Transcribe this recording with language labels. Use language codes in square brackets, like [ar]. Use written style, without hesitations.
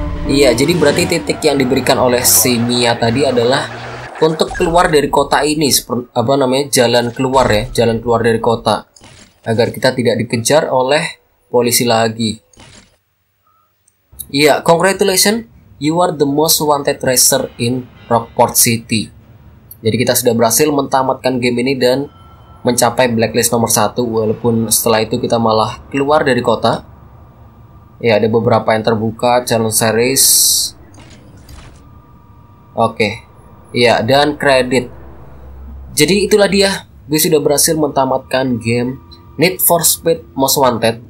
[id] Iya, jadi berarti titik yang diberikan oleh si Mia tadi adalah untuk keluar dari kota ini, apa namanya, jalan keluar ya, jalan keluar dari kota agar kita tidak dikejar oleh polisi lagi. [en] Iya, congratulations, you are the most wanted racer in Rockport City. [id] Jadi kita sudah berhasil mentamatkan game ini dan mencapai blacklist nomor 1, walaupun setelah itu kita malah keluar dari kota. Ya, ada beberapa yang terbuka, challenge series. Oke. Ya, dan kredit. Jadi itulah dia, gue sudah berhasil mentamatkan game Need for Speed Most Wanted.